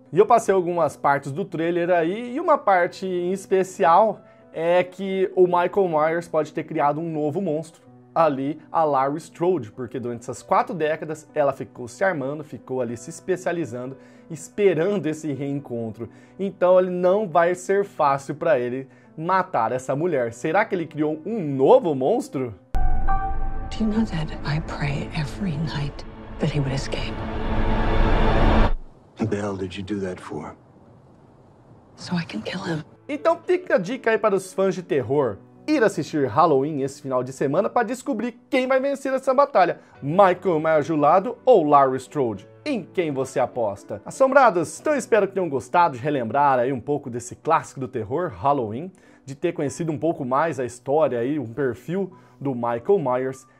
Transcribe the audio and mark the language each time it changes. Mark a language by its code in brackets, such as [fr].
[pt] E eu passei algumas partes do trailer aí, e uma parte em especial é que o Michael Myers pode ter criado um novo monstro ali, a Laurie Strode, porque durante essas 4 décadas ela ficou se armando, ficou ali se especializando, esperando esse reencontro. Então ele não vai ser fácil para ele matar essa mulher. Será que ele criou um novo monstro? [en] Do you know that I pray every night that he would escape? What the hell did you do that for? So I can kill him. [pt] Então fica a dica aí para os fãs de terror: ir assistir Halloween esse final de semana para descobrir quem vai vencer essa batalha, Michael Myers de um lado ou Laurie Strode, em quem você aposta. Assombrados, então espero que tenham gostado de relembrar aí um pouco desse clássico do terror, Halloween, de ter conhecido um pouco mais a história e um perfil do Michael Myers.